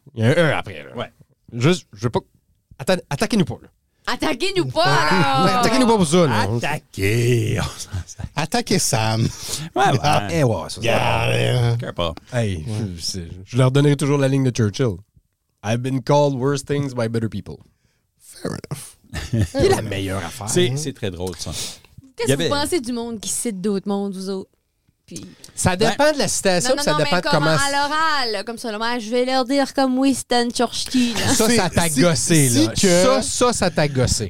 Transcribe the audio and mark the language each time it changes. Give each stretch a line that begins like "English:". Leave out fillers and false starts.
French: Il y a un E après, là. Ouais. Juste, je veux pas... Attaquez-nous pas, là. Attaquez-nous pas, alors! Attaquez-nous pas pour ça, là! Attaquez! Attaquez Sam! Ouais, ouais! Ah, eh, ouais, ça
English: yeah.
French: Hey, je leur donnerai toujours la ligne de Churchill.
English: I've been called worse things by better people. Fair enough.
French: C'est la meilleure affaire. C'est très drôle, ça. Qu'est-ce que vous pensez du monde qui cite d'autres mondes, vous autres? Ça dépend de la citation, ça dépend mais comment de comment. À l'oral, comme ça, là, je vais leur dire comme Winston Churchill. Ça t'a gossé, là. Ça t'a gossé.